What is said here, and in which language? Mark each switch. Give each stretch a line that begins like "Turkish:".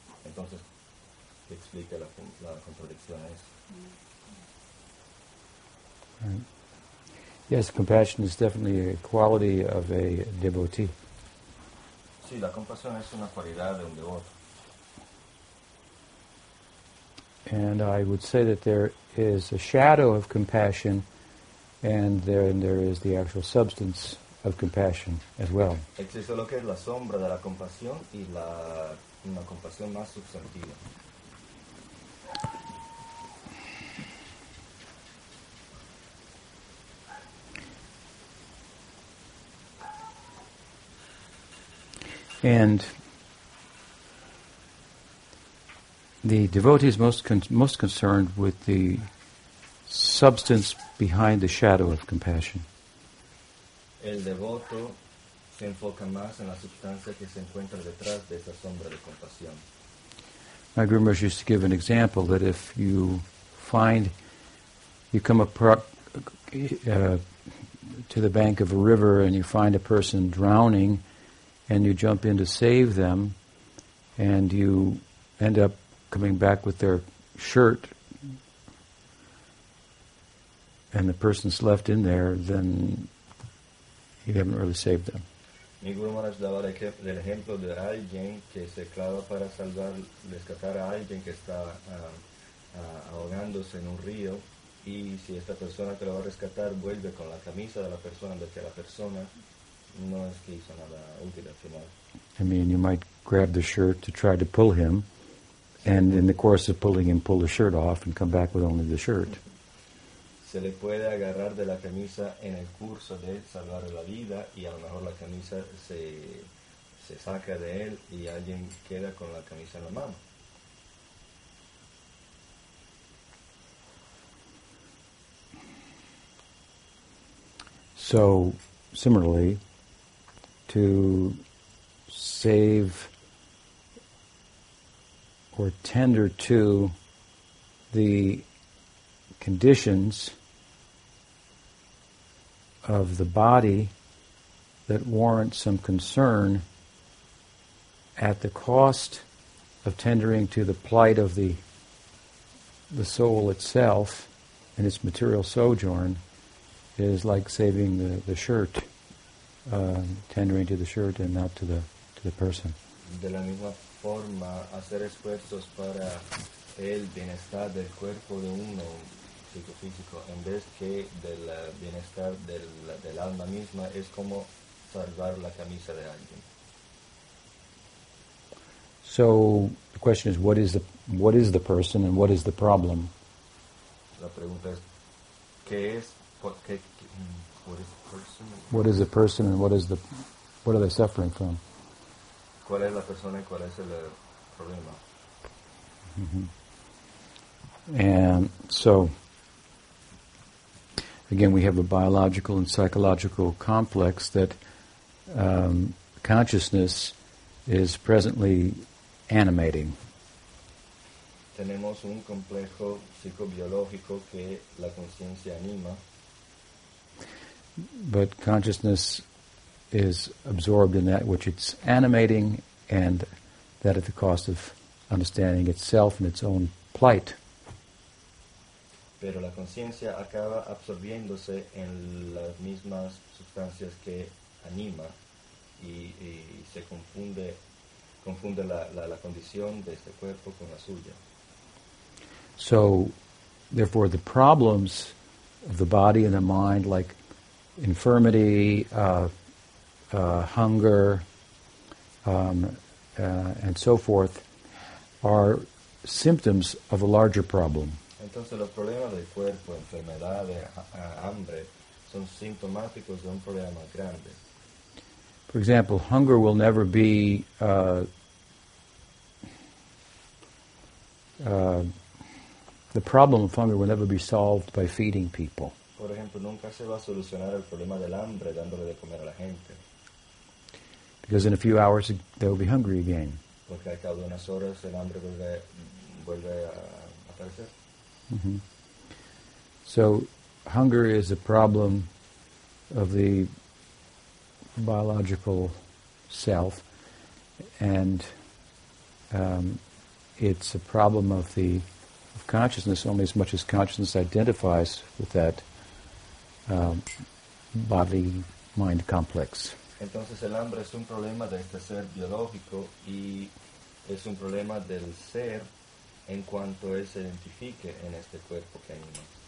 Spanish: Entonces, ¿qué explica la contradicción a eso?
English: Right. Yes, compassion is definitely a quality of a devotee.
Spanish: Sí, la compasión es una cualidad de un devoto.
English: And I would say that there is a shadow of compassion, and then there is the actual substance of compassion as well.
Spanish: Existe lo que es la sombra de la compasión y la una compasión más sustantiva.
English: And the devotee is most concerned with the substance behind the shadow of compassion.
Spanish: El devoto se enfoca más en la sustancia que se encuentra detrás de esa sombra de compasión.
English: My Guru Maharaj used to give an example that if you find you come to the bank of a river and you find a person drowning, and you jump in to save them, and you end up coming back with their shirt, and the person's left in there, then you haven't really saved them.
Spanish: Mi Guru Maharaj daba el ejemplo de alguien que se clava para salvar, rescatar a alguien que está ahogándose en un río, y si esta persona que lo va a rescatar vuelve con la camisa de la persona, de que la persona no es que hizo nada útil al final.
English: I mean, you might grab the shirt to try to pull him, and in the course of pulling him, pull the shirt off and come back with only the shirt.
Spanish: Se le puede agarrar de la camisa en el curso de salvar la vida, y a lo mejor la camisa se saca de él y alguien queda con la camisa en la mano.
English: So, similarly, to save or tender to the conditions of the body that warrant some concern at the cost of tendering to the plight of the soul itself and its material sojourn is like saving the shirt. Tendering to the shirt and not to the person.
Spanish: De la misma forma, hacer esfuerzos para el bienestar del cuerpo de uno psicofísico en vez que del bienestar del alma misma es como salvar la camisa de alguien.
English: So the question is, what is the person and what is the problem?
Spanish: La pregunta es
English: what is the person? What is the person and what are they suffering from?
Spanish: ¿Cuál es la persona y cuál es el problema? Mm-hmm.
English: And so, again, we have a biological and psychological complex that consciousness is presently animating.
Spanish: Tenemos un complejo psicobiológico que la conciencia anima.
English: But consciousness is absorbed in that which it's animating, and that at the cost of understanding itself and its own plight.
Spanish: Pero la conciencia acaba absorbiéndose en las mismas sustancias que anima y se confunde la condición de este cuerpo con la suya.
English: So, therefore, the problems of the body and the mind, like infirmity, hunger, and so forth, are symptoms of a larger problem.
Spanish: Entonces, los problemas del cuerpo, enfermedades, hambre, son sintomáticos de un problema más grande.
English: For example, hunger will never be the problem of hunger will never be solved by feeding people.
Spanish: Por ejemplo, nunca se va a solucionar el problema del hambre dándole de comer a la gente.
English: Because in a few hours they will be hungry again.
Spanish: Porque al cabo de unas horas el hambre vuelve a aparecer. Mm-hmm.
English: So, hunger is a problem of the biological self, and it's a problem of the of consciousness only as much as consciousness identifies with that body-mind complex.
Spanish: Entonces, el hambre es un problema de este ser biológico y es un problema del ser en cuanto él se identifique en este cuerpo que anima.